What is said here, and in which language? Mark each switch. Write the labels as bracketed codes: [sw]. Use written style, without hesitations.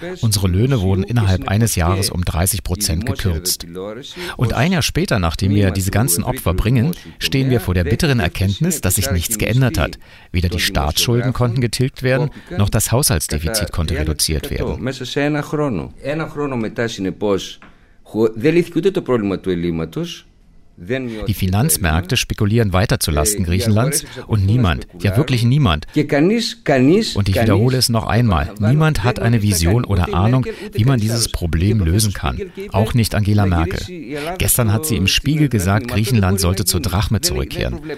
[de] Unsere Löhne wurden innerhalb eines Jahres um 30% gekürzt. Und ein Jahr später, nachdem wir diese ganzen Opfer bringen, stehen wir vor der bitteren Erkenntnis, dass sich nichts geändert hat. Weder die Staatsschulden konnten getilgt werden, noch das Haushaltsdefizit konnte reduziert werden. [el] Μέσα σε ένα χρόνο. Ένα χρόνο μετά συνεπώς δεν λύθηκε ούτε το πρόβλημα του ελλείμματος. [de] Die Finanzmärkte spekulieren weiter zu Lasten Griechenlands und niemand, ja wirklich niemand. Und ich wiederhole es noch einmal, niemand hat eine Vision oder Ahnung, wie man dieses Problem lösen kann. Auch nicht Angela Merkel. Gestern hat sie im Spiegel gesagt, Griechenland sollte zur Drachme zurückkehren.